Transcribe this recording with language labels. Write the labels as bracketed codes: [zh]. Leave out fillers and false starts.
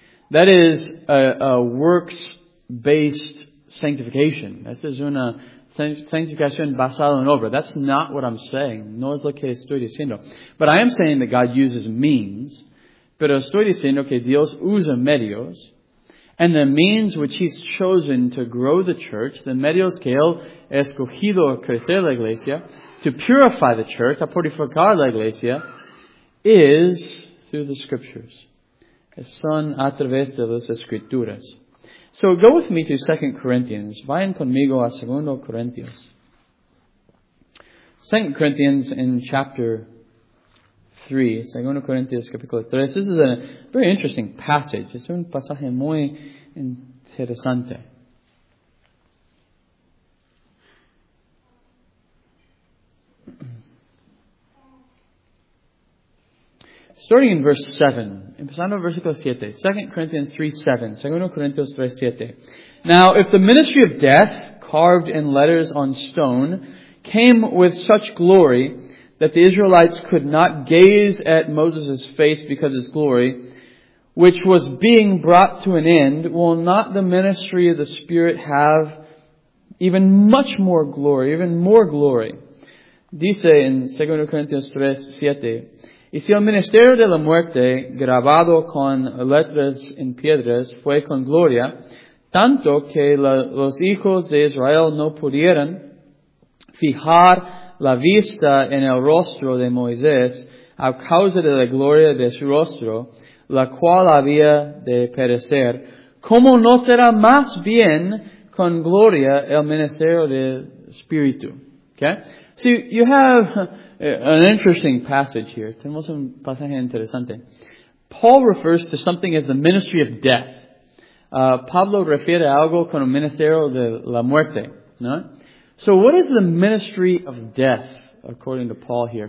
[en] That is a works-based sanctification. [es] That's una sanctificación basada en obra. [en] That's not what I'm saying. [es] No es lo que estoy diciendo. [en] But I am saying that God uses means. [es] Pero estoy diciendo que Dios usa medios. [en] And the means which He's chosen to grow the church, [es] the medios que Él ha escogido a crecer la iglesia, [en] to purify the church, [es] a purificar la iglesia, [en] is through the Scriptures. [es] Son a través de las Escrituras. [en] So go with me to 2 Corinthians. [es] Vayan conmigo a 2 Corinthians. [en] 2 Corinthians in chapter 3, [es] 2 Corintios capítulo 3. [en] This is a very interesting passage. [es] Es un pasaje muy interesante. [en] Starting in verse 7, [es] empezando en versículo 7, [en] 2 Corinthians 3:7, 2 Corinthians 3:7. Now, if the ministry of death, carved in letters on stone, came with such glory that the Israelites could not gaze at Moses' face because of his glory, which was being brought to an end, will not the ministry of the Spirit have even much more glory, even more glory? [es] Dice in 2 Corinthians 3:7, y si el ministerio de la muerte, grabado con letras en piedras, fue con gloria, tanto que los hijos de Israel no pudieron fijar la vista en el rostro de Moisés a causa de la gloria de su rostro, la cual había de perecer, ¿cómo no será más bien con gloria el ministerio del Espíritu? [en] Okay? So you have an interesting passage here. [es] Tenemos un pasaje interesante. [en] Paul refers to something as the ministry of death. [es] Pablo refiere a algo con el ministerio de la muerte. ¿No? [en] So what is the ministry of death, according to Paul here?